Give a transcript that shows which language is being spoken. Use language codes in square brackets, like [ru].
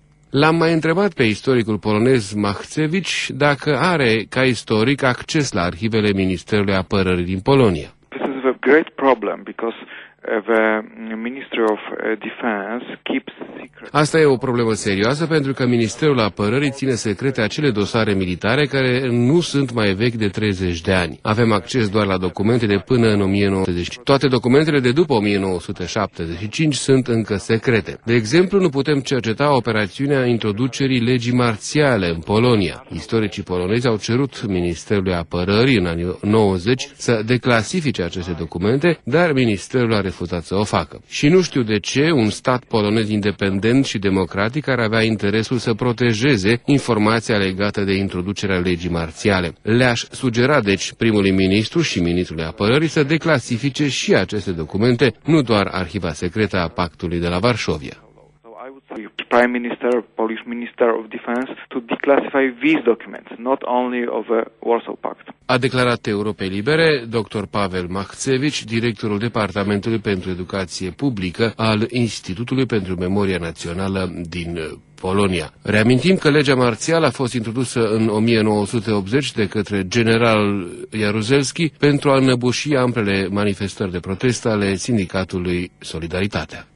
[ro] L-am mai întrebat pe istoricul polonez Machcewicz dacă are, ca istoric, acces la arhivele Ministerului Apărării din Polonia. [en] This is a great problem because the Ministry of Defense keeps secret. [ro] Asta e o problemă serioasă pentru că Ministerul Apărării ține secrete acele dosare militare care nu sunt mai vechi de 30 de ani. Avem acces doar la documente de până în 1970. Toate documentele de după 1975 sunt încă secrete. De exemplu, nu putem cerceta operațiunea introducerii legii marțiale în Polonia. Istoricii polonezi au cerut Ministerului Apărării în anii 90 să declasifice aceste documente, dar Ministerul a refuzat să o facă. Și nu știu de ce un stat polonez independent și democratic ar avea interesul să protejeze informația legată de introducerea legii marțiale. Le-aș sugera, deci, primului ministru și ministrului apărării să declasifice și aceste documente, nu doar arhiva secretă a pactului de la Varșovia. [en] Prime Minister, Polish Minister of Defense, to declassify these documents, not only of the Warsaw Pact. [ro] A declarat Europei Libere Dr. Paweł Machcewicz, directorul Departamentului pentru Educație Publică al Institutului pentru Memoria Națională din Polonia. Reamintim că legea marțială a fost introdusă în 1980 de către general Jaruzelski pentru a înăbuși amplele manifestări de protest ale sindicatului Solidaritatea.